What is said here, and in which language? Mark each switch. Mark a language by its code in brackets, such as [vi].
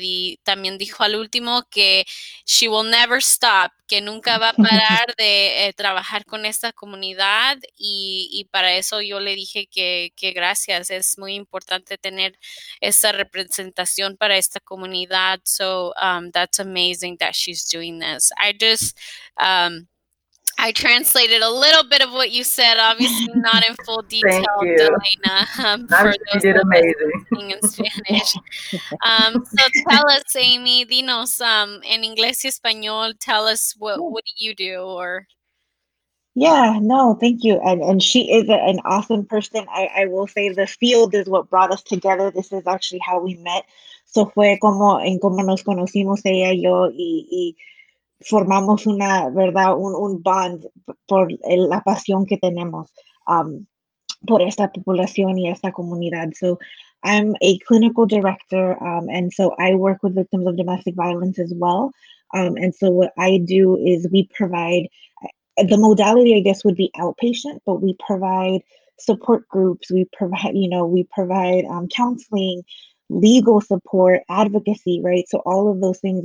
[es] Y también dijo al último que [en] she will never stop, [es] que nunca va a parar de trabajar con esta comunidad, y para eso yo le dije que gracias, es muy importante tener esa representación para esta comunidad. [en] So that's amazing that she's doing this. I translated a little bit of what you said, obviously not in full detail. Thank you. Delina, for those did amazing in Spanish. So tell us, Amy, [es] dinos en inglés y español, [en] tell us what do you do? Or yeah, no, thank you. And she is an awesome person. I will say the field is what brought us together. This is actually how we met. [es] So fue como en como nos conocimos ella y yo y formamos una, verdad, un bond por la pasión que tenemos por esta población y esta comunidad. [en] So I'm a clinical director, and so I work with victims of domestic violence as well. And so what I do is we provide, the modality, I guess, would be outpatient, but we provide support groups, we provide counseling, legal support, advocacy, right? So all of those things.